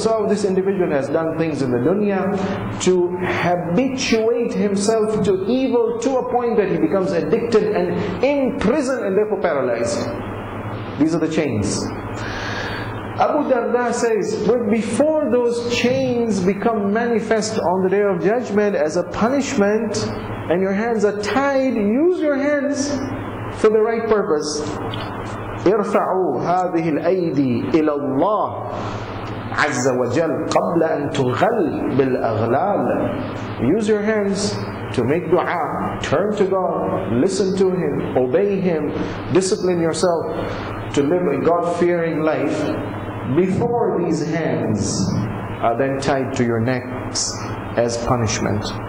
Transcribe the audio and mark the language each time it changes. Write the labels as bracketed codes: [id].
[en] So this individual has done things in the dunya to habituate himself to evil to a point that he becomes addicted and imprisoned and therefore paralyzed. These are the chains. Abu Darda says, but before those chains become manifest on the day of judgment as a punishment, and your hands are tied, use your hands for the right purpose. [ar] ارفعوا هذه الأيدي إلى الله عز وجل قبل أن تغل بالأغلال. [en] Use your hands to make dua, turn to God, listen to Him, obey Him, discipline yourself to live a God-fearing life before these hands are then tied to your necks as punishment.